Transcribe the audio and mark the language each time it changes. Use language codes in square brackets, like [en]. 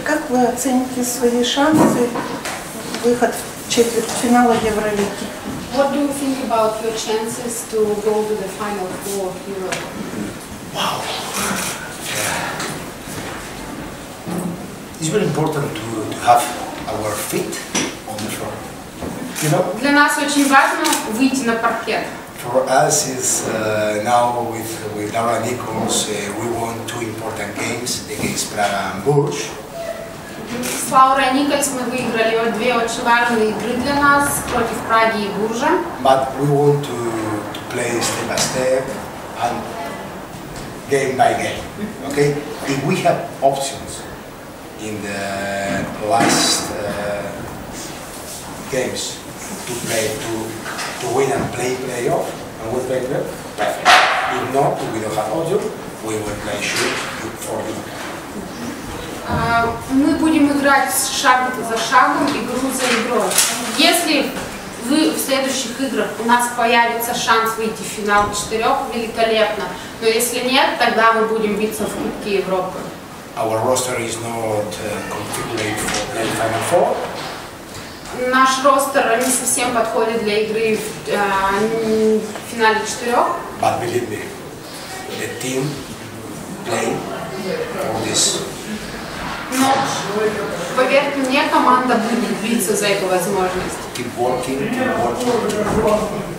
[ru] Как вы оцените свои шансы выход в четвертьфинал Евролиги? [en] What do you think about your chances to go to the final four of Europe? Wow. It's very important to have our feet on the floor. You know? [ru] Для нас очень важно выйти на паркет. [en] For us is now with Laura Nichols, we won two important games against Praga and Bursch. [ru] С Лаурой Никольс мы выиграли две очень важные игры для нас против Праги и Буржа. [en] But we want to play step by step and game by game. Okay? If we have options in the last games to play to win and play playoff and we play well, perfect. If not, if we don't have audio, we will play shoot for you. [ru] Мы будем играть шаг за шагом, игру за игрой. Если в следующих играх у нас появится шанс выйти в финал четырех, великолепно. Но если нет, тогда мы будем биться в Кубке Европы. [en] Our roster is not configured for the final four. [ru] Наш ростер не совсем подходит для игры в финале четырех. [en] But believe me, the team play for this. [ru] Но, поверьте мне, команда будет биться за эту возможность. [en] Keep working, keep working.